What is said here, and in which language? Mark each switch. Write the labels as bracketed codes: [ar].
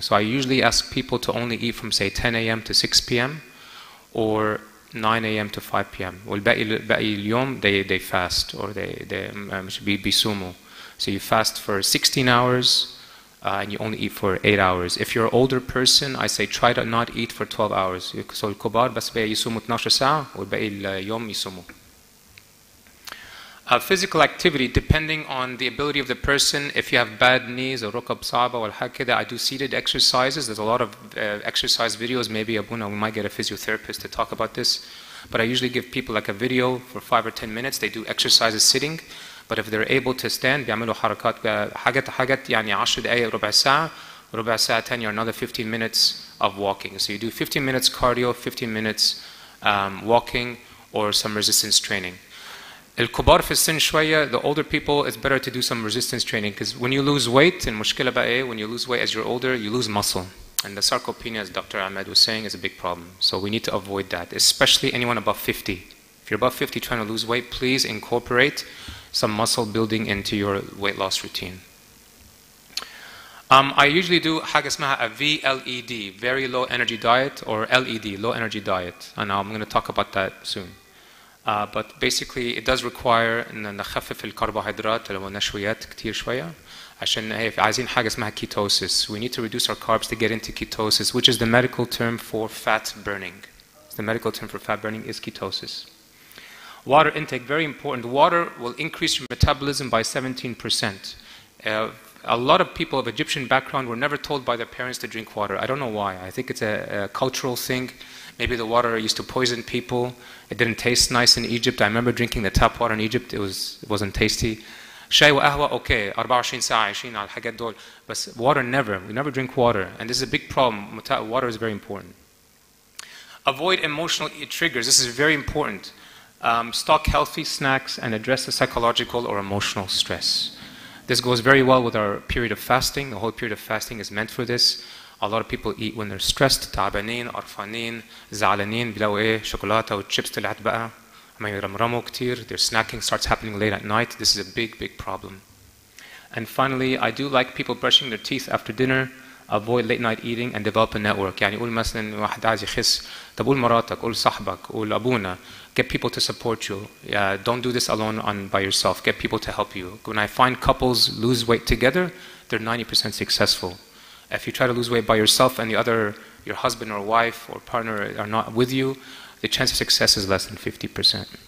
[en] So I usually ask people to only eat from, say, 10 a.m. to 6 p.m. or 9 a.m. to 5 p.m. [ar] والباقي اليوم, [en] they fast, or they bisumu. So you fast for 16 hours, and you only eat for 8 hours. If you're an older person, I say try to not eat for 12 hours. [ar] So الكبار بس بي يسومو 12 ساعة والباقي اليوم يسومو. [en] Physical activity, depending on the ability of the person, if you have bad knees, or [ar] rukab saaba, [en] or [ar] hakida, [en] I do seated exercises. There's a lot of exercise videos. Maybe Abuna, we might get a physiotherapist to talk about this. But I usually give people like a video for 5 or 10 minutes. They do exercises sitting. But if they're able to stand, [ar] بيعملوا حركات حاجات حاجات يعني 10 دقائق ربع ساعة ربع ساعة تانية [en] or another 15 minutes of walking. So you do 15 minutes cardio, 15 minutes walking, or some resistance training. [ar] الكبار في السن شوية, [en] the older people, it's better to do some resistance training because when you lose weight, and [ar] مشكلة بقى إيه, [en] when you lose weight as you're older, you lose muscle. And the sarcopenia, as Dr. Ahmed was saying, is a big problem. So we need to avoid that, especially anyone above 50. If you're above 50 trying to lose weight, please incorporate some muscle building into your weight loss routine. I usually do [ar] حاجة اسمها [en] a VLED, very low energy diet, or LED, low energy diet. And I'm going to talk about that soon. But basically, it does require [ar] نخفف الكربوهيدرات اللي هو النشويات كتير شوية عشان عايزين حاجة اسمها ketosis. [en] We need to reduce our carbs to get into ketosis, which is the medical term for fat burning. The medical term for fat burning is ketosis. Water intake, very important. Water will increase your metabolism by 17%. A lot of people of Egyptian background were never told by their parents to drink water. I don't know why. I think it's a cultural thing. Maybe the water used to poison people. It didn't taste nice in Egypt. I remember drinking the tap water in Egypt. It wasn't tasty. [ar] شاي وقهوة, okay, 24 ساعة عايشين على الحاجات دول. [en] But water, never. We never drink water. And this is a big problem. Water is very important. Avoid emotional triggers. This is very important. Stock healthy snacks and address the psychological or emotional stress. This goes very well with our period of fasting. The whole period of fasting is meant for this. A lot of people eat when they're stressed, [ar] تعبانين, عرفانين, زعلانين, بلاو ايه, شوكولاتة وشيبس طلعت بقى, عم يرمرموا كتير, [en] their snacking starts happening late at night. This is a big, big problem. And finally, I do like people brushing their teeth after dinner, avoid late night eating, and develop a network. [ar] يعني قول مثلا واحد عايز يخس, طب قول مراتك, قول صاحبك, قول أبونا, [en] get people to support you. Don't do this alone by yourself. Get people to help you. When I find couples lose weight together, they're 90% successful. If you try to lose weight by yourself and the other, your husband or wife or partner are not with you, the chance of success is less than 50%.